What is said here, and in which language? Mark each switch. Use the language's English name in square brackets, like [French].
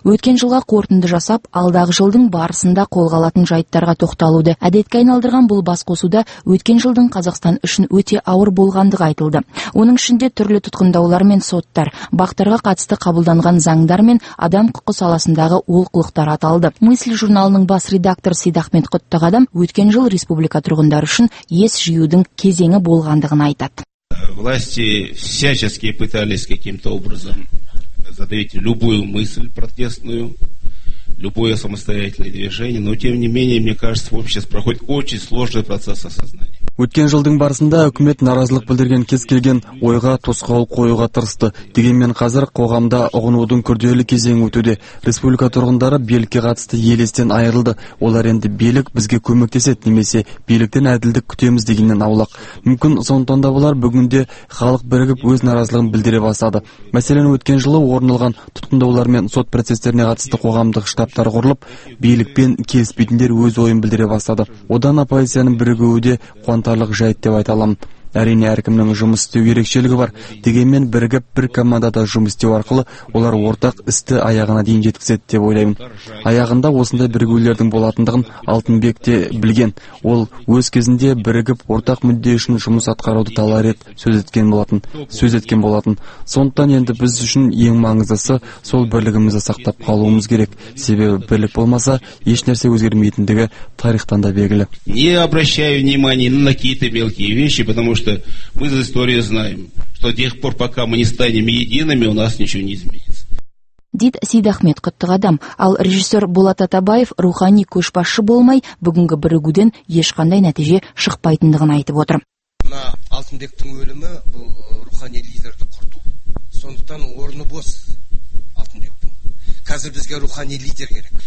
[Kazakh] Өткен жылға қорытынды жасап, алдағы жылдың барысында қолға алатын жайттарға тоқталуды әдетке айналдырған бұл басқосуда өткен жылдың Қазақстан үшін өте ауыр болғандығы айтылды. Оның ішінде түрлі тұтқындаулар мен соттар, бақтарға қатысты қабылданған заңдар мен адам құқы саласындағы олқылықтар аталды. Мысль журналының бас редакторы Сейдахмет Құттығадам өткен жыл республика тұрғындары үшін ес жиюдың кезеңі болғандығын айтады. [Russian] Власти всячески пытались каким-то образом задавить любую мысль протестную, любое самостоятельное движение, но тем не менее, мне кажется, в обществе проходит очень сложный процесс осознания. [Kazakh] Өткен жылдың барысында үкімет наразылық білдірген кез келген ойға тосқауыл қоюға тырысты. Дегенмен қазір қоғамда ұғынудың күрделі кезеңі өтуде. Республика тұрғындары билікке қатысты елестен айырылды. Олар енді билік бізге көмектесет немесе биліктен әділдік күтеміз дегеннен аулақ. Мүмкін сондықтан да болар, бүгінде халық бірігіп өз наразылығын білдіре бастады. Мәселен, өткен жылы орнылған тұтқындаулар мен сот процестеріне қатысты қоғамдық штабтар құрылып, билікпен келіспейтіндер өз ойын білдіре бастады. Одан оппозицияның бірігуі де қуантарлық жайт деп айта аламын. Әрине, әркімнің жұмыс істеу ерекшелігі бар. Дегенмен, бірігіп бір командада жұмыс істеу арқылы олар ортақ істі аяғына дейін жеткізеді деп ойлаймын. Аяғында осындай бірігулердің болатындығын Алтынбек те білген. Ол өз кезінде бірігіп ортақ мүдде үшін жұмыс атқаруды талап етіп сөз еткен болатын. Сондықтан енді біз үшін ең маңыздысы сол бірлігімізді сақтап қалуымыз керек. Себебі бірлік болмаса, еш нәрсе өзгермейтіндігі тарихтан да белгілі. [Russian] Не обращаю внимания на какие-то мелкие вещи, потому что мы за историю знаем, что до тех пор, пока мы не станем едиными, у нас ничего не изменится. [Kazakh] Дид Сейдахмет құттық адам, ал режиссер Болат Атабаев рухани көшбасшы болмай, бүгінгі бірігуден ешқандай нәтиже шықпайтындығын айтып отыр. На Алтынбектің өлімі бұл рухани лидерді құрту. Сондықтан орны бос Алтынбектің. Қазір бізге рухани лидер керек.